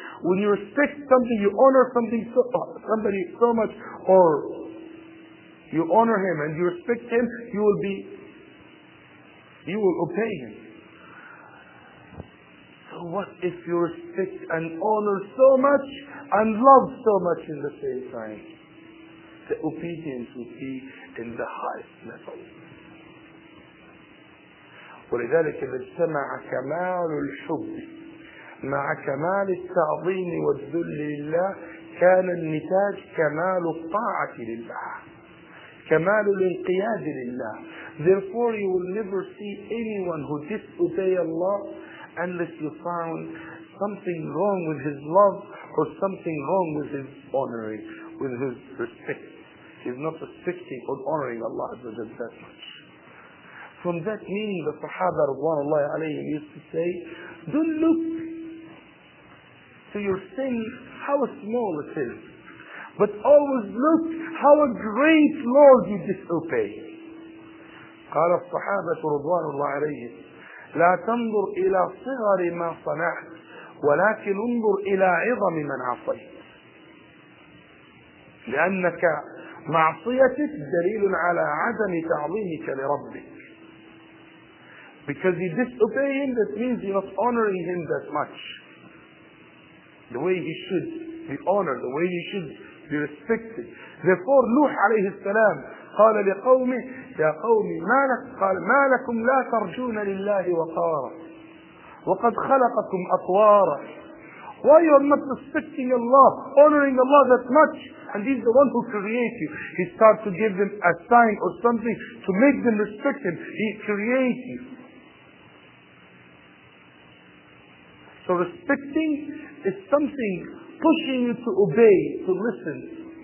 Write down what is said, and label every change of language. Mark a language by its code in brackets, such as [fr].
[en] When you respect something, you honor something somebody so much, or you honor him and you respect him, you will be, you will obey him. So what if you respect and honor so much and love so much in the same time? The obedience will be in the highest level. [ar] ولذلك اجتمع كمال الحب مع كمال التعظيم والذل لله كان النتاج كمال الطاعة لله كمال الانقياد لله. [en] Therefore, you will never see anyone who disobeys Allah unless you found something wrong with his love or something wrong with his honoring, with his respect. He's not respecting or honoring Allah that much. From that meaning, the Sahaba radhiyallahu alayhim used to say, don't look to your sin how small it is, but always look how a great Lord you disobey. [ar] قال الصحابة رضوان الله عليهم لا تنظر إلى صغر ما صنعت ولكن انظر إلى عظم من عصيت. لأنك معصيتك دليل على عدم تعظيمك لربك. [en] Because you disobey him, that means you're not honoring him that much. The way he should be honored, the way he should be respected. Therefore, Nuh alayhi salam, [ar] قال لقومه يا قومي ما لك قال ما لكم لا ترجون لله وقارا وقد خلقكم أطوارا. [en] Why you are not respecting Allah, honoring Allah that much? And he's the one who created you. He starts to give them a sign or something to make them respect him. He created you. So respecting is something pushing you to obey, to listen.